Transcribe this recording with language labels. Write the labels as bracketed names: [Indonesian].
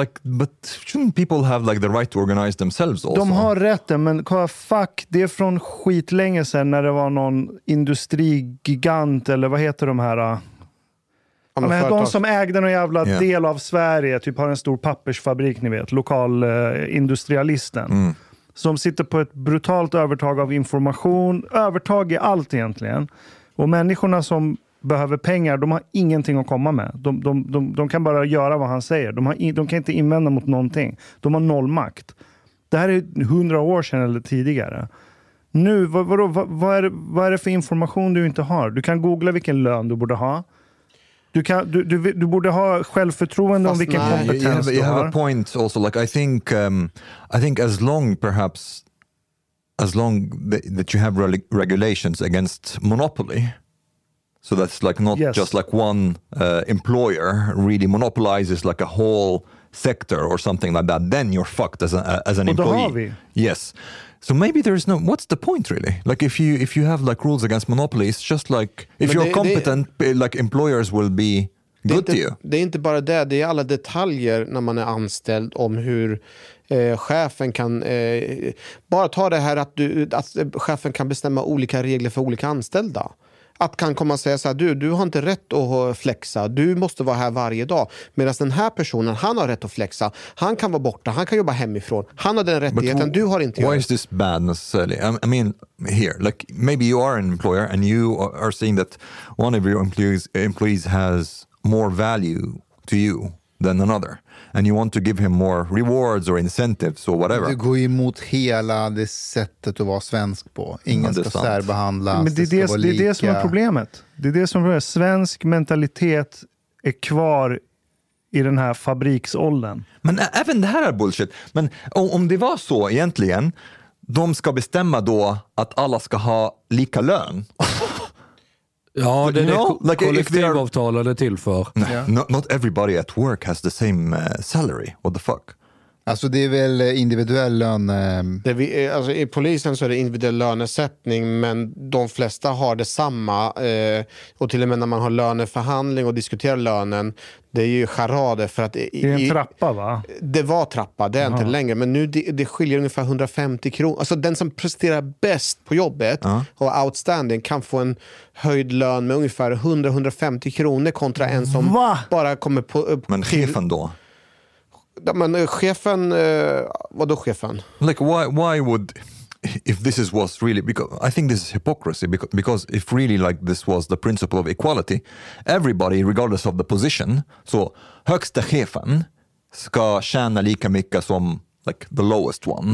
[English] Like, but shouldn't people have like the right to organize themselves also? [Swedish] De har rätten, men fuck, det är från skit länge sedan när det var någon industrigigant eller vad heter de här? De som ägde någon jävla del av Sverige, typ har en stor pappersfabrik, ni vet, lokal industrialisten. Mm. Som sitter på ett brutalt övertag av information. Övertag i allt egentligen. Och människorna som behöver pengar, de har ingenting att komma med. De kan bara göra vad han säger. De kan inte invända mot någonting. De har noll makt. Det här är 100 år sedan eller tidigare. Nu, vad är det för information du inte har? Du kan googla vilken lön du borde ha. Du borde ha självförtroende om vilken kompetens du har. [English] You have a point also. Like, I think as long perhaps as long that you have regulations against monopoly. So that's like not just like one employer really monopolizes like a whole sector or something like that. Then you're fucked as an employee. Yes. So maybe there is no. What's the point really? Like if you have like rules against monopolies, just like if you're competent, employers will be good [Swedish] inte, [English] to you. [Swedish] Det är inte bara det. Det är alla detaljer när man är anställd om hur chefen kan bara ta det här att chefen kan bestämma olika regler för olika anställda. Att kan komma och säga så här, du har inte rätt att flexa, du måste vara här varje dag. Medan den här personen, han har rätt att flexa, han kan vara borta, han kan jobba hemifrån. Han har den rättigheten, du har inte. [English] Why is this bad necessarily? I mean, here, like, maybe you are an employer and you are seeing that one of your employees has more value to you than another. And you want to give him more rewards or incentives or whatever. [Swedish] Du går emot hela det sättet att vara svensk på. Ingen ska särbehandlas. Men det är det som är problemet. Det är det som är svensk mentalitet är kvar i den här fabriksåldern. Men även det här är bullshit. Men om det var så egentligen, de ska bestämma då att alla ska ha lika lön. Ja, [English] but [Swedish] det är like kollektivavtalade till för. [English] Not everybody at work has the same salary. What the fuck? [Swedish] Alltså det är väl individuell lön... Det vi, alltså i polisen så är det individuell lönesättning, men de flesta har detsamma. Och till och med när man har löneförhandling och diskuterar lönen, det är ju charade för att... Det är en trappa, va? Det var trappa, det är inte längre. Men nu det skiljer ungefär 150 kronor. Alltså den som presterar bäst på jobbet och outstanding kan få en höjd lön med ungefär 100-150 kronor kontra en som bara kommer på... Men chefen då? Men chefen, vadå chefen? [English] Like why would, if this is was really, because I think this is hypocrisy, because if really like this was the principle of equality, everybody regardless of the position, [Swedish] så högsta chefen ska tjäna lika mycket som [English] like the lowest one.